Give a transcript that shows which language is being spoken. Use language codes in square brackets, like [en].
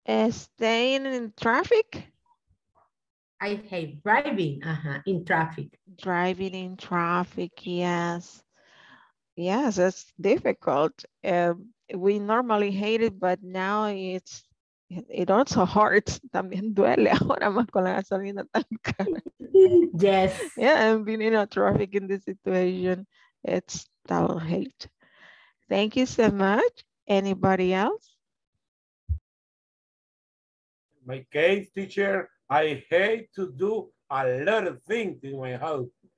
[en] Staying in traffic? I hate driving in traffic. Driving in traffic, yes. Yes, it's difficult. We normally hate it, but now it also hurts. [es] También duele ahora más con la gasolina tan cara. [en] Yes. Yeah, and being in a traffic in this situation, it's total hate. Thank you so much. Anybody else? My case, teacher, I hate to do a lot of things in my house.